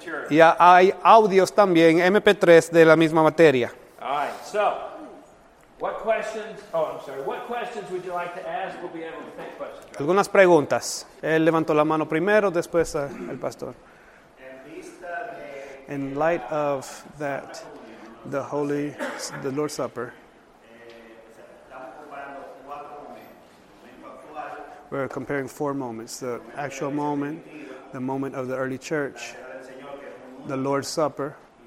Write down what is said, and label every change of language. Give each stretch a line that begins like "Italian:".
Spanish: Y hay audios también, MP3, de la misma materia.
English: Alright, so what questions would you like to ask? We'll be able to take questions. Right?
Spanish: Algunas preguntas. Él levantó la mano primero, después el pastor.
English: In light of that, the Holy, the Lord's Supper, we're comparing four moments: the actual moment, the moment of the early church, the Lord's Supper,